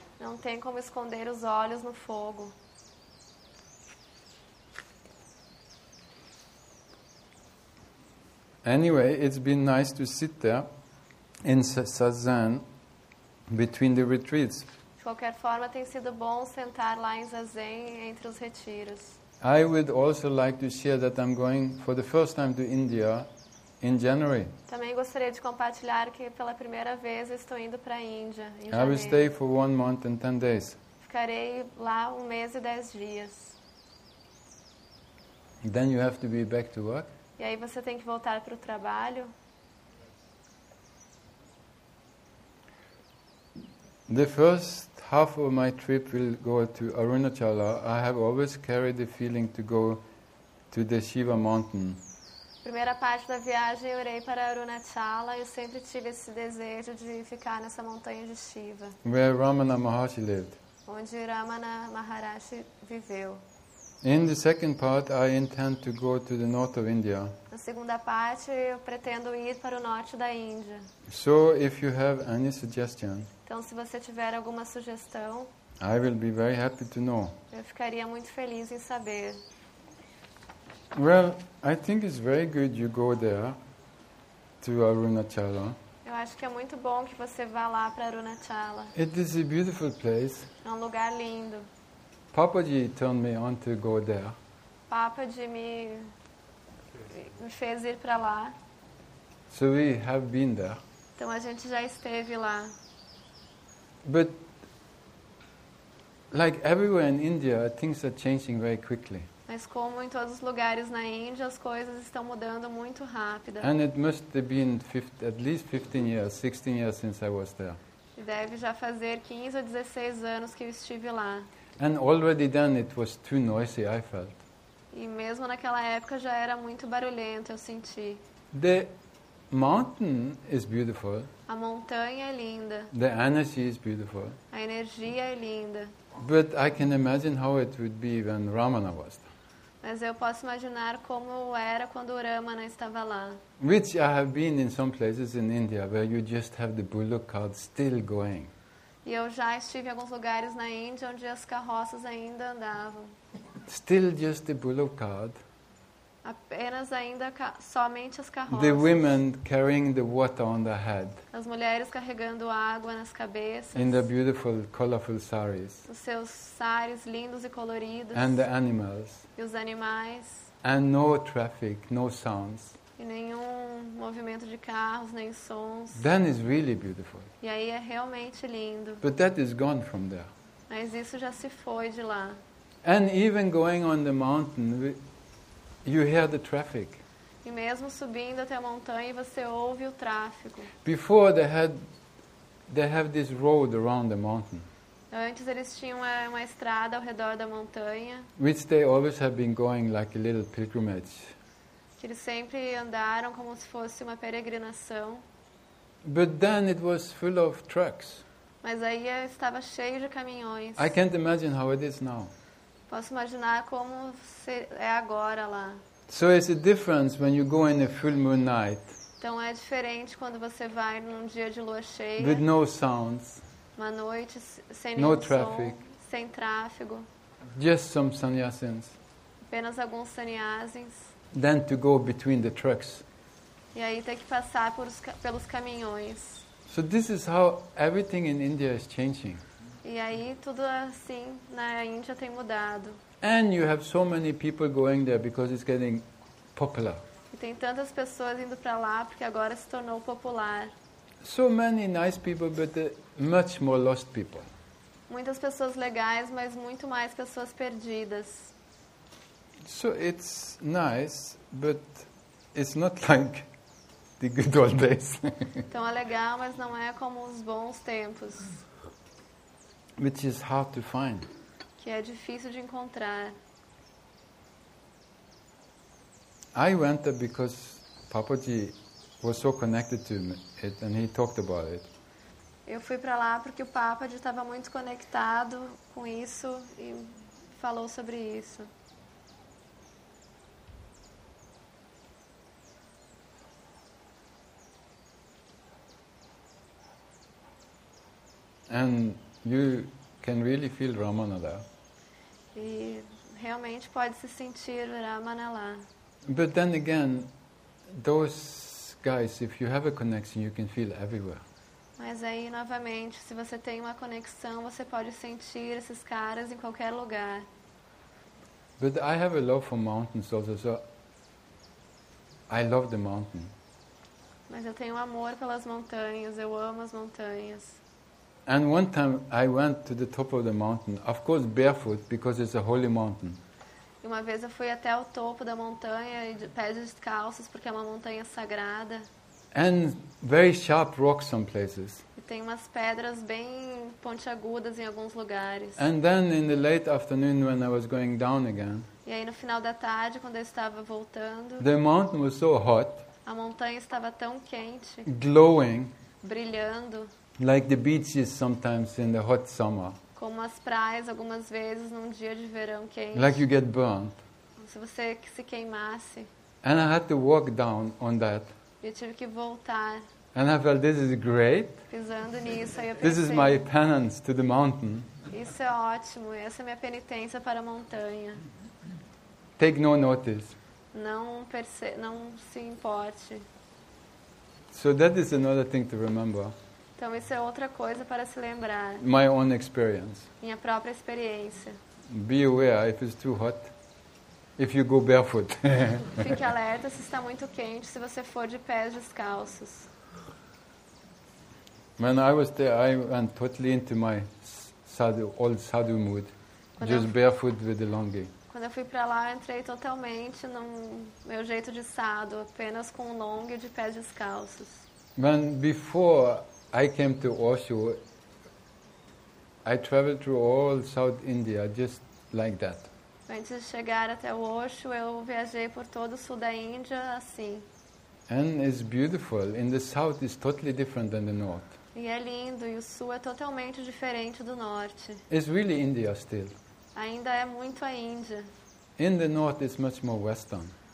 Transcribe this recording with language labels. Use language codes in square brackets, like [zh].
[pt] Não tem como esconder os olhos no fogo. [en] Anyway, it's been nice to sit there in Zazen between the retreats. [pt] De qualquer forma, tem sido bom sentar lá em Zazen entre os retiros. [en] I would also like to share that I'm going for the first time to India in January. [pt] Também gostaria de compartilhar que pela primeira vez estou indo para a Índia em janeiro. [en] I will stay for 1 month and 10 days. [pt] Ficarei lá 1 mês e 10 dias. [en] Then you have to be back to work. [pt] E aí você tem que voltar para o trabalho. [en] The first half of my trip will go to Arunachala. I have always carried the feeling to go to the Shiva mountain. [pt] Primeira parte da viagem eu irei para Arunachala. Eu sempre tive esse desejo de ficar nessa montanha de Shiva. [en] Where Ramana Maharshi lived. [pt] Onde Ramana Maharshi viveu. [en] In the second part, I intend to go to the north of India. [pt] Na segunda parte, eu pretendo ir para o norte da Índia. [en] So, if you have any suggestion, [pt] então, se você tiver alguma sugestão, [en] I will be very happy to know. [pt] Eu ficaria muito feliz em saber. [en] Well, I think it's very good you go there to Arunachala. [pt] Eu acho que é muito bom que você vá lá para Arunachala. [en] It is a beautiful place. [pt] É um lugar lindo. [en] Papaji turned me on to go there. [pt] Papaji me fez ir para lá. [en] So we have been there. [pt] Então a gente já esteve lá. [en] But like everywhere in India, things are changing very quickly. [pt] Mas como em todos os lugares na Índia, as coisas estão mudando muito rápido. [en] And it must have been at least 15 years, 16 years since I was there. [pt] E deve já fazer 15 ou 16 anos que eu estive lá. [en] And already then it was too noisy, I felt. [pt] E mesmo naquela época já era muito barulhento, eu senti. [en] The mountain is beautiful. [pt] A montanha é linda. [en] The energy is beautiful. [pt] A energia é linda. [en] But I can imagine how it would be when Ramana was there. [pt] Mas eu posso imaginar como era quando o Ramana estava lá. [en] Which I have been in some places in India where you just have the bullock cart still going. [pt] E eu já estive em alguns lugares na Índia onde as carroças ainda andavam. [en] Still just the bullock cart. [pt] Apenas ainda somente as carroças. [en] The women carrying the water on their head. [pt] As mulheres carregando água nas cabeças. [en] In the beautiful, colorful saris. [pt] Os seus saris lindos e coloridos. [en] And the animals. [pt] E os animais. [en] And no traffic, no sounds. [pt] E nenhum movimento de carros, nem sons. [en] Then is really beautiful. [pt] E aí é realmente lindo. [en] But that is gone from there. [pt] Mas isso já se foi de lá. [en] And even going on the mountain, You hear the traffic. [pt] E mesmo subindo até a montanha, você ouve o tráfego. [en] Before they have this road around the mountain. [pt] Antes eles tinham uma estrada ao redor da montanha. [en] Which they always have been going like a little pilgrimage. [pt] Que eles sempre andaram como se fosse uma peregrinação. [en] But then it was full of trucks. [pt] Mas aí estava cheio de caminhões. [en] I can't imagine how it is now. [pt] Posso imaginar como é agora lá. [en] So it's a difference when you go in a full moon night. [pt] Então é diferente quando você vai num dia de lua cheia. [en] With no sounds. [pt] Uma noite sem nenhum [en] traffic, [pt] som, sem tráfego. [en] Just some sannyasins. [pt] Apenas alguns sannyasins. [en] Then to go between the trucks. [pt] E aí ter que passar pelos caminhões. [en] So this is how everything in India is changing. [pt] E aí tudo assim na Índia tem mudado. [en] And you have so many people going there because it's getting popular. [pt] E tem tantas pessoas indo para lá porque agora se tornou popular. [en] So many nice people, but much more lost people. [pt] Muitas pessoas legais, mas muito mais pessoas perdidas. [en] So it's nice, but it's not like the good old days. [pt] Então é legal, mas não é como os bons tempos. [en] Which is hard to find. [pt] Que é difícil de encontrar. [en] I went there because Papaji was so connected to it and he talked about it. [pt] Eu fui para lá porque o Papaji estava muito conectado com isso e falou sobre isso. [en] And you can really feel Ramana there. [pt] E realmente pode se sentir Ramana lá. [en] But then again, those guys, if you have a connection, you can feel everywhere. [pt] Mas aí novamente, se você tem uma conexão, você pode sentir esses caras em qualquer lugar. [en] But I have a love for mountains also, so I love the mountain. [pt] Mas eu tenho amor pelas montanhas, eu amo as montanhas. [en] And one time I went to the top of the mountain, of course barefoot, because it's a holy mountain. [pt] E uma vez eu fui até o topo da montanha e de pés descalços, porque é uma montanha sagrada. [en] And very sharp rocks some places. [pt] E tem umas pedras bem pontiagudas em alguns lugares. [en] And then in the late afternoon when I was going down again. [pt] E aí no final da tarde, quando eu estava voltando. [en] The mountain was so hot. [pt] A montanha estava tão quente. [en] Glowing. [pt] Brilhando. [en] Like the beaches sometimes in the hot summer. [pt] Como as praias algumas vezes num dia de verão quente. [en] Like you get burned. [pt] Se você se queimasse. [en] And I had to walk down on that. [pt] Eu tive que voltar. [en] And I felt this is great. [pt] Pisando nisso, aí eu pensei, [en] this is my penance to the mountain. [pt] Isso é ótimo. Essa é minha penitência para a montanha. [en] Take no notice. [pt] Não se importe. [en] So that is another thing to remember. [pt] Então isso é outra coisa para se lembrar. [en] My own experience. [pt] Minha própria experiência. [en] Be aware if it's too hot. If you go barefoot. [pt] Fique alerta se está muito quente se você for de pés descalços. [en] When I was there, I went totally into my sadhu, old sadhu mood. [pt] Quando [en] just barefoot with the longi. [pt] Quando eu fui para lá, eu entrei totalmente no meu jeito de sadhu, apenas com longi de pés descalços. [en] When before I came to Osho, I traveled through all South India just like that. [pt] Antes de chegar até o Osho, eu viajei por todo o sul da Índia assim. [en] And it's beautiful. In the south is totally different than the north. [pt] E é lindo, e o sul é totalmente diferente do norte. [en] It's really India still. [pt] Ainda é muito a Índia. [en] In the north is much more western.